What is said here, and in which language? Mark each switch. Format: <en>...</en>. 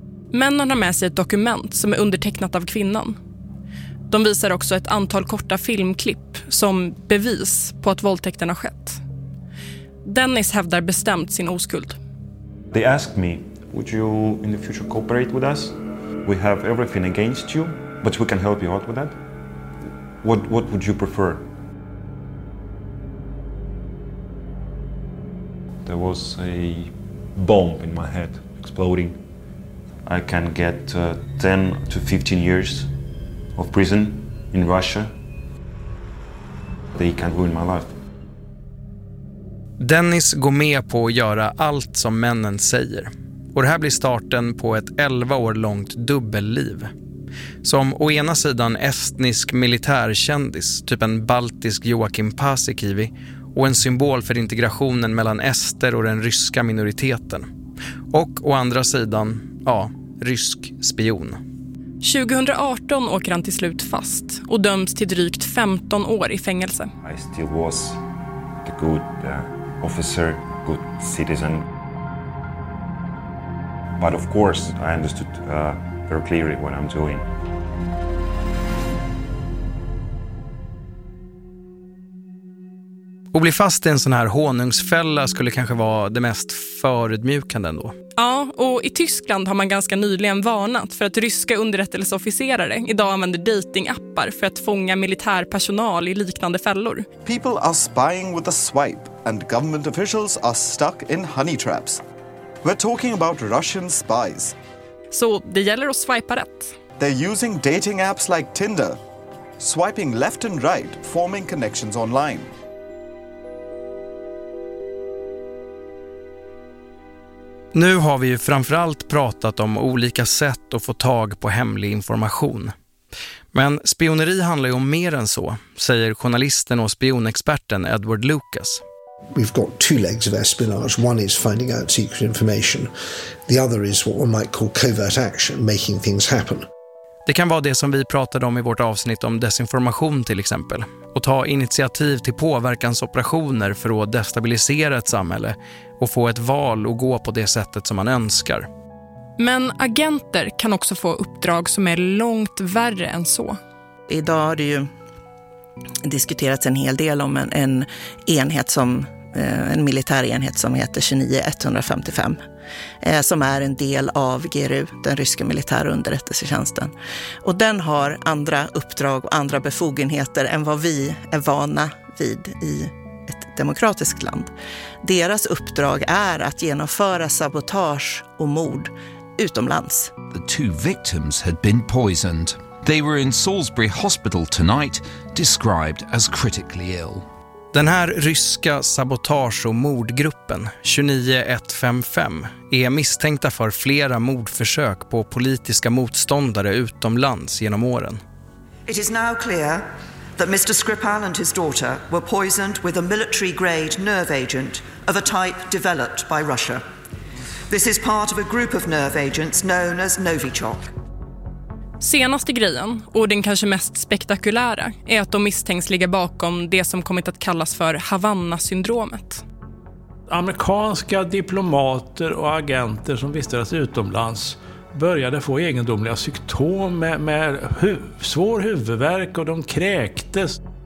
<sv>Männen har med sig ett dokument som är undertecknat av kvinnan. De visar också ett antal korta filmklipp som bevis på att våldtäkten har skett. Dennis hävdar bestämt sin oskuld.</sv> <en>They asked me, would you in the future cooperate with us? We have everything against you, but we can help you out with that. What would you prefer? There was a bomb in my head exploding. I can get 10 to 15 years of prison in Russia. They can ruin my life.</en> <sv>Dennis går med på att göra allt som männen säger. Och det här blir starten på ett 11 år långt dubbelliv. Som å ena sidan estnisk militärkändis, typ en baltisk Joakim Paasikivi, och en symbol för integrationen mellan ester och den ryska minoriteten. Och å andra sidan, rysk spion. 2018 åker han till slut fast och döms till drygt 15 år i fängelse.</sv> <en>I still was the good officer, good citizen. But of course, I understood very clearly what I'm doing.</en> <sv>Att bli fast i en sån här honungsfälla skulle kanske vara det mest förödmjukande ändå. Ja, och i Tyskland har man ganska nyligen varnat för att ryska underrättelseofficerare idag använder dating-appar för att fånga militärpersonal i liknande fällor.</sv> <en>People are spying with a swipe and government officials are stuck in honey traps. We're talking about Russian spies.</en> <sv>Så det gäller att swipa rätt.</sv> <en>They're using dating apps like Tinder, swiping left and right, forming connections online.</en> <sv>Nu har vi ju framförallt pratat om olika sätt att få tag på hemlig information. Men spioneri handlar ju om mer än så, säger journalisten och spionexperten Edward Lucas.</sv> <en>We've got two legs of espionage. One is finding out secret information. The other is what one might call covert action, making things happen.</en> <sv>Det kan vara det som vi pratade om i vårt avsnitt om desinformation till exempel. Och ta initiativ till påverkansoperationer för att destabilisera ett samhälle och få ett val och gå på det sättet som man önskar. Men agenter kan också få uppdrag som är långt värre än så. Idag har det ju diskuterats en hel del om en enhet som en militär enhet som heter 29155. Som är en del av GRU, den ryska militära underrättelsetjänsten. Och den har andra uppdrag och andra befogenheter än vad vi är vana vid i ett demokratiskt land. Deras uppdrag är att genomföra sabotage och mord utomlands.</sv> <en>The two victims had been poisoned. They were in Salisbury Hospital tonight, described as critically ill.</en> <sv>Den här ryska sabotage- och mordgruppen, 29155, är misstänkta för flera mordförsök på politiska motståndare utomlands genom åren.</sv> <en>It is now clear that Mr. Skripal and his daughter were poisoned with a military-grade nerve agent of a type developed by Russia. This is part of a group of nerve agents known as Novichok.</en> <sv>Senaste grejen, och den kanske mest spektakulära, är att de misstänks ligga bakom det som kommit att kallas för Havanna-syndromet. Amerikanska diplomater och agenter som vistades utomlands började få egendomliga symptom med svår huvudvärk och de kräktes.</sv>